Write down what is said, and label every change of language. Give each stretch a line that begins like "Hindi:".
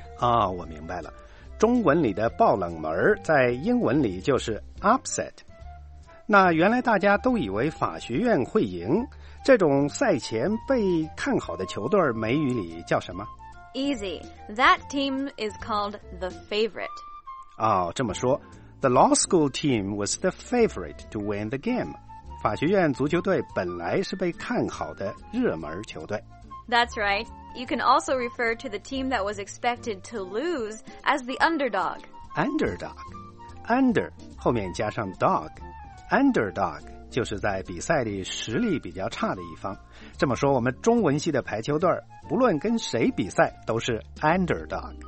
Chinese: 哦，我明白了。中文里的爆冷门在英文里就是 upset。那原来大家都以为法学院会赢，这种赛前被看好的球队美语里叫什么？
English: Easy, that team is called the favorite.
Chinese: 哦，这么说，
English: the law school team was the favorite to win the game.
Chinese: 法学院足球队本来是被看好的热门球队。
English: That's right. You can also refer to the team that was expected to lose as the underdog. Underdog. Under
Chinese: 后面加上
English: dog.
Chinese: Underdog 就是在比赛里实力比较差的一方。这么说，我们中文系的排球队不论跟谁比赛都是 Underdog。